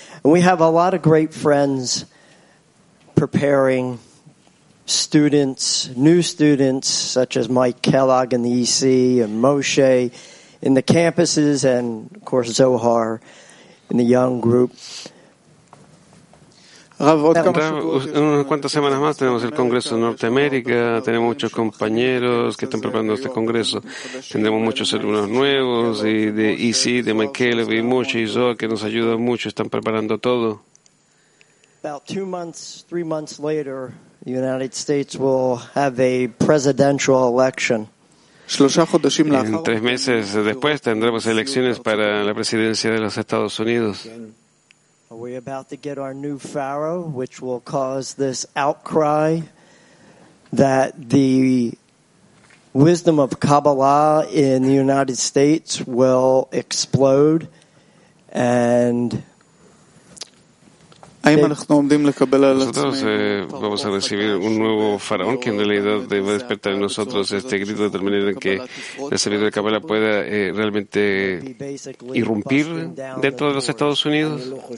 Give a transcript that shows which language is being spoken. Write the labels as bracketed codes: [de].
[en] And we have a lot of great friends preparing students, new students, such as Mike Kellogg in the EC and Moshe in the campuses, and of course Zohar in the young group. [es] Unas cuantas semanas más tenemos el Congreso de Norteamérica, tenemos muchos compañeros que están preparando este Congreso, tendremos muchos alumnos nuevos, y de EC, de Michael, y Moshe y Zohar, que nos ayudan mucho, están preparando todo. [en] About 2 months, 3 months later, the United States will have a presidential election. [es] En 3 meses después tendremos elecciones para la presidencia de los Estados Unidos. [en] Are we about to get our new pharaoh, which will cause this outcry that the wisdom of Kabbalah in the United States will explode? And [es] nosotros vamos a recibir un nuevo faraón que en realidad va a despertar en nosotros este grito de tal manera que la sabiduría de Kabbalah pueda realmente irrumpir dentro de los Estados Unidos.